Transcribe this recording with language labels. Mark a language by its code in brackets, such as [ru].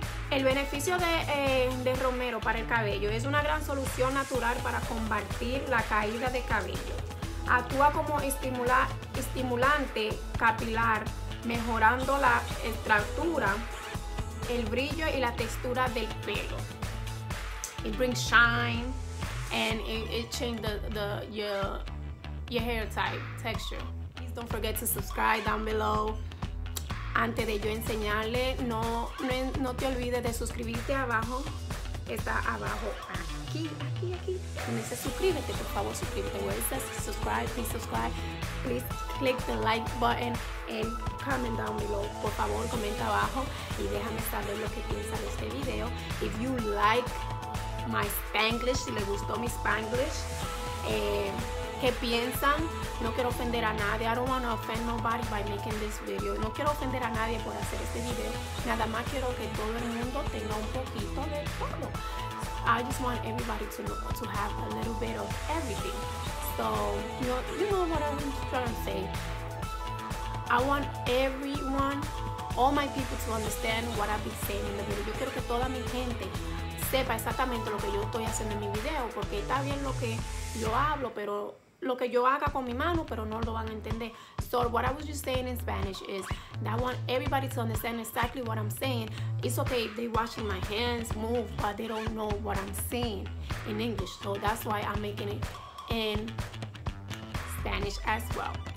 [es] El beneficio de romero para el cabello es una gran solución natural para combatir la caída de cabello. Actúa como estimulante capilar, mejorando la estructura, el brillo y la textura del pelo. [en] It brings shine and it changes your hair type, texture. Please don't forget to subscribe down below. [es] Antes de yo enseñarle, no te olvides de suscribirte abajo. Está abajo, aquí. Me dice suscríbete, por favor, suscríbete. [en] Where it says subscribe. Please click the like button and comment down below. [es] Por favor, comenta abajo y déjame saber lo que piensas de este video. [en] If you like my Spanglish, [es] si le gustó mi Spanglish, ¿qué piensan? No quiero ofender a nadie. [en] I don't want to offend nobody by making this video. [es] No quiero ofender a nadie por hacer este video. Nada más quiero que todo el mundo tenga un poquito de todo. [en] I just want everybody to have a little bit of everything. So, you know what I'm trying to say. I want everyone, all my people to understand what I've been saying in the video. [es] Yo quiero que toda mi gente sepa exactamente lo que yo estoy haciendo en mi video. Porque está bien lo que yo hablo, pero lo que yo haga con mi mano, pero no lo van a entender. [en] So, what I was just saying in Spanish is that I want everybody to understand exactly what I'm saying. It's okay if they're watching my hands move, but they don't know what I'm saying in English. So, that's why I'm making it in Spanish as well.